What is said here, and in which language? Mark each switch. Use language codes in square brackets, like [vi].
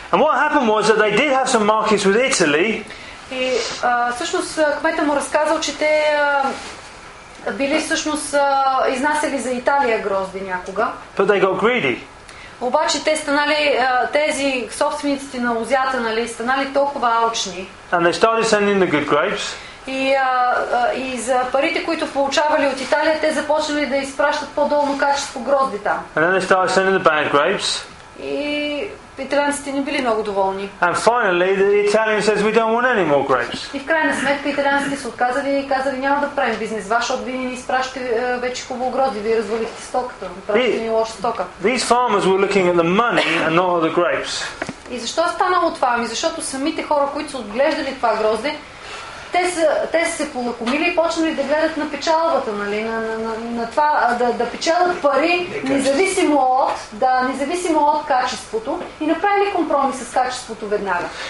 [en] And what happened was that they did have some markets with Italy. [bg] И всъщност кмета му разказал, че те били всъщност изнасяли за Италия грозди някога. [en] But they got greedy. [bg] Обаче те станали тези собствениците на лозята, нали, станали толкова алчни. [en] And they started sending the good grapes. [bg] И за парите, които получавали от Италия, те започнали да изпращат по-долно качество грозди там. [en] And then they started sending the bad grapes. [bg] И италианците не били много доволни. [en] And finally, the Italian says, "We don't want any more grapes." [bg] И в крайна сметка италианците се отказали и казали, няма да правим бизнес ваш, защото вие ни изпращате вече хубаво грозди, вие развалихте стоката, правите ни лоша стока. [en] These farmers were looking at the money and not at the grapes. [bg] И защо е станало това? Ами защото самите хора, които са отглеждали това грозди, Те са се полакомили и почнали да гледат на печалбата, нали, на това да печелят пари, независимо от качеството, и направили компромис с качеството веднага.